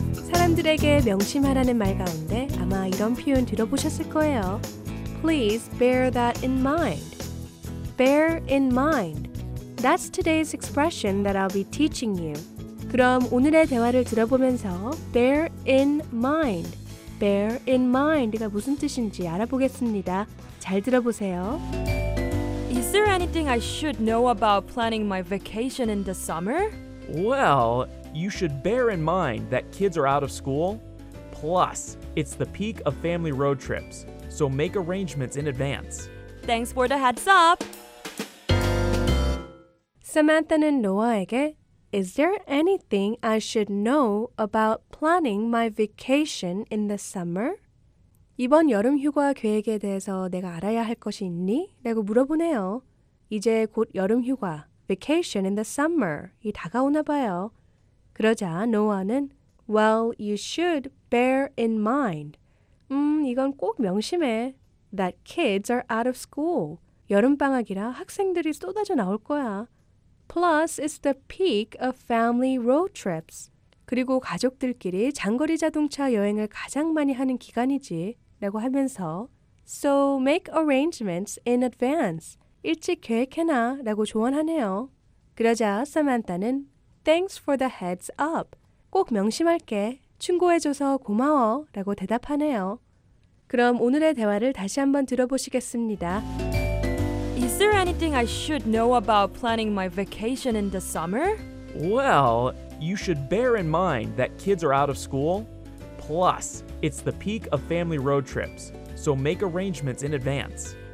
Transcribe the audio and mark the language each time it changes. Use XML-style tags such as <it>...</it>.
<ko>사람들에게 명심하라는 말 가운데 아마 이런 표현 들어보셨을 거예요.</ko> <en>Please bear that in mind. Bear in mind. That's today's expression that I'll be teaching you.</en> <ko>그럼 오늘의 대화를 들어보면서 bear in mind. Bear in mind가 무슨 뜻인지 알아보겠습니다. 잘 들어보세요.</ko> <en>Is there anything I should know about planning my vacation in the summer? Well, you should bear in mind that kids are out of school. Plus, it's the peak of family road trips, so make arrangements in advance. Thanks for the heads up!</en> <ko>Samantha는 노아에게</ko> <en>Is there anything I should know about planning my vacation in the summer?</en> <ko>이번 여름 휴가 계획에 대해서 내가 알아야 할 것이 있니? 라고 물어보네요. 이제 곧 여름 휴가,</ko> <en>vacation in the summer</en> <ko>이 다가오나 봐요. 그러자 노아는</ko> <en>Well, you should bear in mind.</en> <ko>이건 꼭 명심해.</ko> <en>That kids are out of school.</en> <ko>여름방학이라 학생들이 쏟아져 나올 거야.</ko> <en>Plus, it's the peak of family road trips.</en> <ko>그리고 가족들끼리 장거리 자동차 여행을 가장 많이 하는 기간이지. 라고 하면서</ko> <en>So, make arrangements in advance.</en> <ko>일찍 계획해놔 라고 조언하네요. 그러자 사만타는</ko> <en>Thanks for the heads up.</en> <ko>꼭 명심할게. 충고해줘서 고마워 라고 대답하네요. 그럼 오늘의 대화를 다시 한번 들어보시겠습니다.</ko> <en>Is there anything I should know about planning my vacation in the summer? Well, you should bear in mind that kids are out of school. Plus, it's the peak of family road trips, so make arrangements in advance.</en>